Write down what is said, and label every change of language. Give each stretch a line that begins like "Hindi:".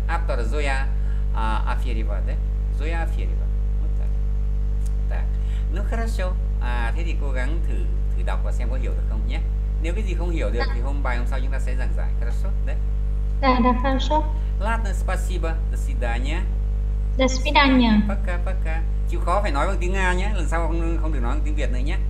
Vietnamese: After Zoya Afiriva đấy. Zoya Afiriva. Nó khá show. À, thế thì cố gắng thử thử đọc và xem có hiểu được không nhé. Nếu cái gì không hiểu được thì hôm bài hôm sau chúng ta sẽ giảng giải khá show đấy.
Russian: Да, Ладно, спасибо, до свидания. хорошо. До Пока, пока.
Vietnamese: Chịu khó phải nói bằng tiếng Nga nhé. Lần sau không được nói bằng tiếng Việt nữa nhé.